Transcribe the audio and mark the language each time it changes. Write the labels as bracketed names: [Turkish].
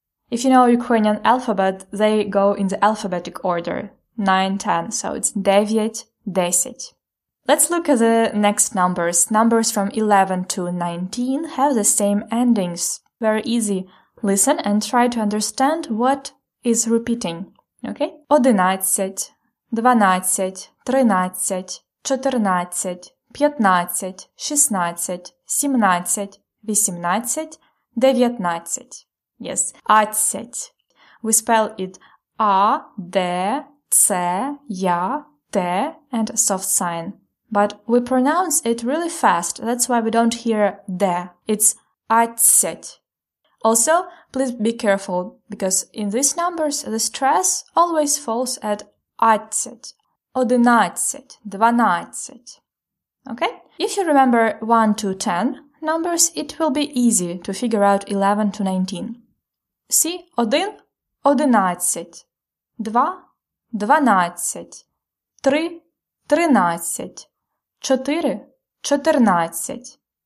[English] If you know Ukrainian alphabet, they go in the alphabetic order. 9, 10. So, it's 9, 10. Let's look at the next numbers. Numbers from 11 to 19 have the same endings. Very easy. Listen and try to understand what is repeating, okay? [Ukrainian] Одинадцять, дванадцять, тринадцять, чотирнадцять, п'ятнадцять, шістнадцять, сімнадцять, вісімнадцять, дев'ятнадцять. [English] Yes, адцять. We spell it A, D, C, Я, Т, and a soft sign. But we pronounce it really fast, that's why we don't hear D. It's адцять. Also, please be careful, because in these numbers, the stress always falls at [Ukrainian] адцять, одинадцять, дванадцять. [English] Okay? If you remember 1 to 10 numbers, it will be easy to figure out 11 to 19. [Ukrainian] See, один, одинадцять, два, дванадцять, три, тринадцять, чотири, чотирнадцять.